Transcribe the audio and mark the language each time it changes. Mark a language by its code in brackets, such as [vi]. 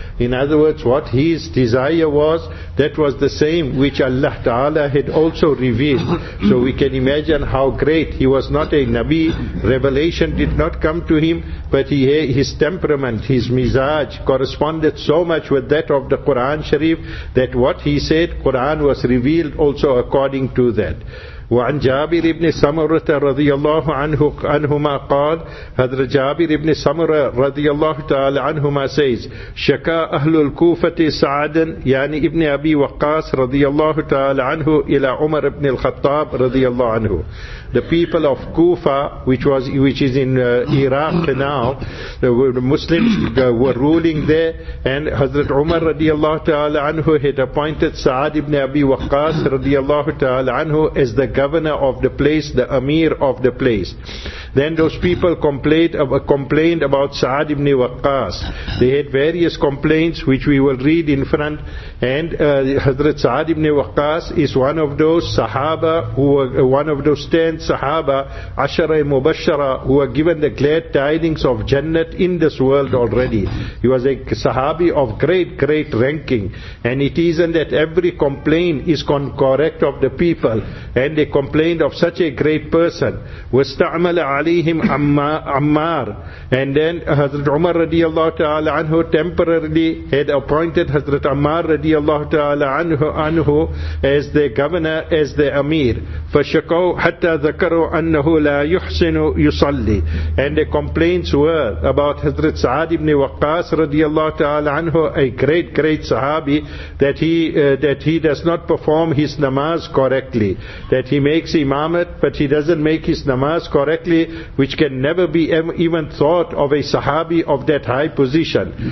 [en] In other words, what his desire was, that was the same which Allah Ta'ala had also revealed. So we can imagine how great. He was not a Nabi, revelation did not come to him, but his temperament, his mizaj corresponded so much with that of the Quran Sharif that what he said, Quran was revealed also according to that. [ar] وعن جابر بن سمرة رضي الله عنه عنهما قال حضر جابر بن سمرة رضي الله تعالى عنهما [en] says [ar] شكا أهل الكوفة سعدا يعني ابن أبي وقاص رضي الله تعالى عنه إلى عمر بن الخطاب رضي الله عنه. [en] The people of Kufa, which is in Iraq now, the Muslims were ruling there, and Hazrat Umar radiallahu ta'ala anhu had appointed Sa'ad ibn Abi Waqqas radiallahu ta'ala anhu as the governor of the place, the Amir of the place. Then those people complained about Sa'ad ibn Waqqas. They had various complaints which we will read in front, and Hazrat Sa'ad ibn Waqqas is one of those Sahaba who were one of those ten Sahaba, Ashara Mubashara, who were given the glad tidings of Jannat in this world already. He was a Sahabi of great ranking, and it isn't that every complaint is correct of the people, and they complained of such a great person. [ar] Wasta'amala alayhim Ammar, [en] and then Hazrat Umar radiallahu ta'ala anhu temporarily had appointed Hazrat Ammar radiallahu ta'ala anhu as the governor, as the Amir. [ar] Fashakaw hatta ذكروا أنه لا يحسن يصلي. [en] And the complaints were about Hazrat Sa'ad ibn Waqqas radiallahu ta'ala anhu, a great sahabi, that he does not perform his namaz correctly, that he makes imamat but he doesn't make his namaz correctly, which can never be even thought of a sahabi of that high position.